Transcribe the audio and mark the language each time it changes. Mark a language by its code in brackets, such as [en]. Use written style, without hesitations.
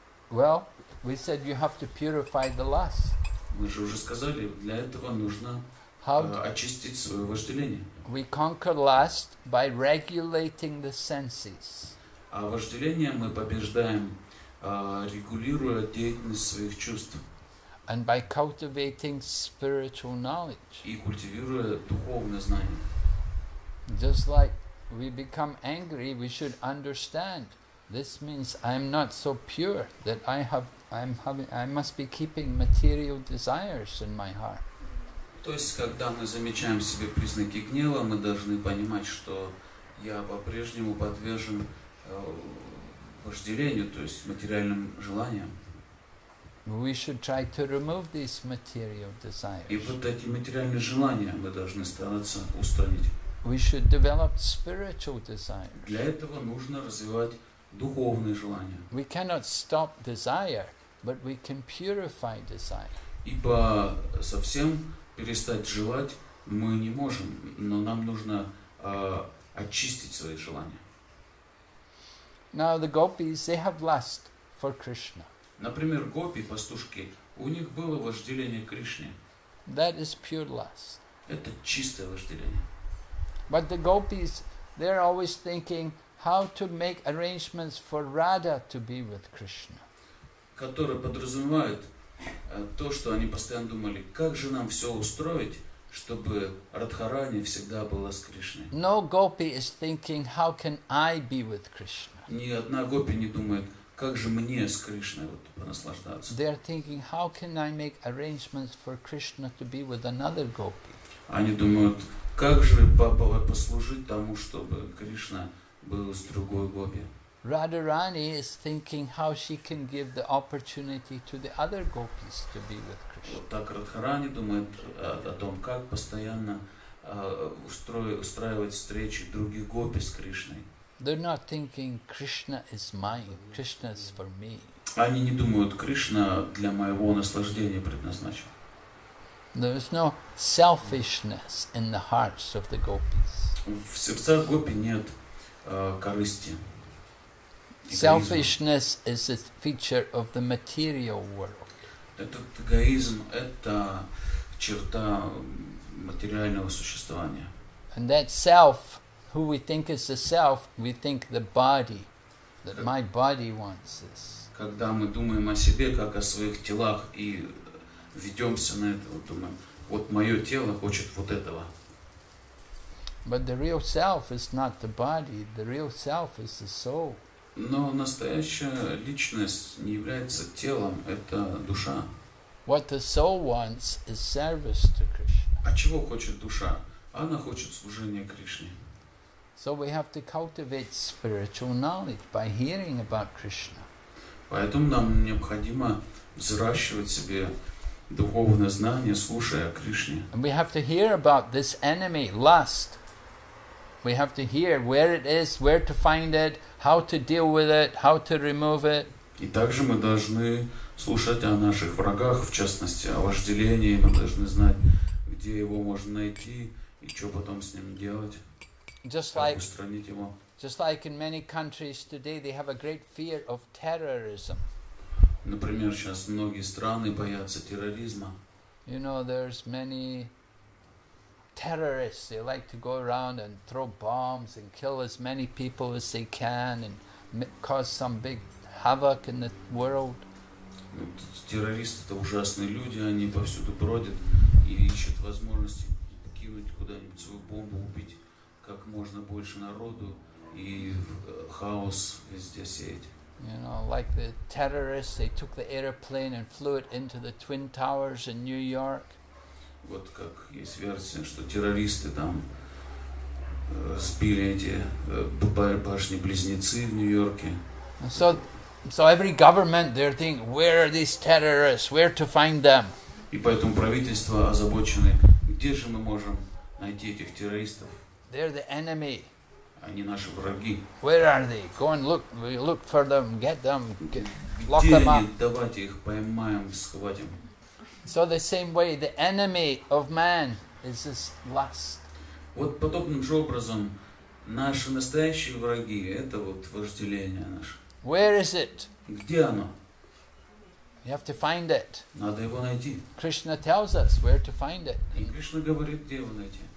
[en] Well, we said you have to purify the lust. [ru] Мы же уже сказали, для этого нужно очистить свое вожделение. [en] We conquer lust by regulating the senses. [ru] А вожделение мы побеждаем, регулируя деятельность своих чувств. [en] And by cultivating spiritual knowledge. [ru] И культивируя духовное знание. [en] Just like we become angry, we should understand. This means I'm not so pure that I must be keeping material desires in my heart. [ru] То есть, когда мы замечаем в себе признаки гнева, мы должны понимать, что я по-прежнему подвержен вожделению, то есть материальным желаниям. [en] We should try to remove these material desires. [ru] И вот эти материальные желания мы должны стараться устранить. [en] We should develop spiritual desires. [ru] Для этого нужно развивать духовные желания. [en] We cannot stop desire, but we can purify desire. [ru] Ибо совсем перестать желать мы не можем, но нам нужно очистить свои желания. [en] Now the gopis, they have lust for Krishna. [ru] Например, гопи, пастушки, у них было вожделение к Кришне. [en] That is pure lust. [ru] Это чистое вожделение. [en] But the gopis, they're always thinking how to make arrangements for Radha to be with Krishna. [ru] Которые подразумевают то, что они постоянно думали, как же нам все устроить, чтобы Радхарани всегда была с Кришной. [en] No gopi is thinking, how can I be with Krishna. [ru] Ни одна гопи не думает, как же мне с Кришной вот понаслаждаться. [en] They are thinking, how can I make arrangements for Krishna to be with another gopi. [ru] Они думают, как же папа послужить тому, чтобы Кришна был с другой гопи. [en] Radharani is thinking how she can give the opportunity to the other gopis to be with Krishna. [ru] Вот так Радхарани думает о том, как постоянно устраивать встречи других гопи с Кришной. [en] They're not thinking Krishna is mine, Krishna is for me. [ru] Они не думают, Кришна для моего наслаждения предназначен. [en] There is no selfishness in the hearts of the gopis. [ru] В сердцах гопи нет корысти. [en] Selfishness is a feature of the material world. [ru] Этот эгоизм – это черта материального существования. [en] And that self, who we think is the self, we think the body, that my body wants this. [ru] Когда мы думаем о себе, как о своих телах, и ведемся на это, вот думаем, вот мое тело хочет вот этого. [en] But the real self is not the body, the real self is the soul. [ru] Но настоящая личность не является телом, это душа. [en] What the soul wants is service to Krishna. [ru] А чего хочет душа? Она хочет служения Кришне. [en] So we have to cultivate spiritual knowledge by hearing about Krishna. [ru] Поэтому нам необходимо взращивать себе духовное знание, слушая о Кришне. [en] And we have to hear about this enemy, lust. We have to hear where it is, where to find it, how to deal with it, how to remove it. [ru] И также мы должны слушать о наших врагах, в частности, о вожделении. Мы должны знать, где его можно найти и что потом с ним делать, как устранить его. [en] Just like in many countries today, they have a great fear of terrorism. [ru] Например, сейчас многие страны боятся терроризма. [en] You know, there's many terrorists, they like to go around and throw bombs and kill as many people as they can and cause some big havoc in the world. [ru] Террористы — это ужасные люди, они повсюду бродят и ищут возможности кинуть куда-нибудь свою бомбу, убить как можно больше народу и хаос везде сеять. [en] You know, like the terrorists, they took the airplane and flew it into the Twin Towers in New York. [ru] Вот как есть версия, что террористы там сбили эти башни-близнецы в Нью-Йорке. [en] So every government they're thinking, where are these terrorists? Where to find them? [ru] И поэтому правительство озабочено, где же мы можем найти этих террористов? [en] They're the enemy. [ru] Они наши враги. [en] Where are they? Go and look. We look for them. Get them. Lock [ru] где [en] them [ru] они? [en] Up. [ru] Давайте их поймаем, схватим. [en] So the same way, the enemy of man is this lust. [ru] Вот подобным же образом наши настоящие враги — это вот вожделение наше. [en] Where is it? [ru] Где оно? [en] You have to find it. [ru] Надо его найти. [en] Krishna tells us where to find it. [ru] И Кришна говорит, где его найти.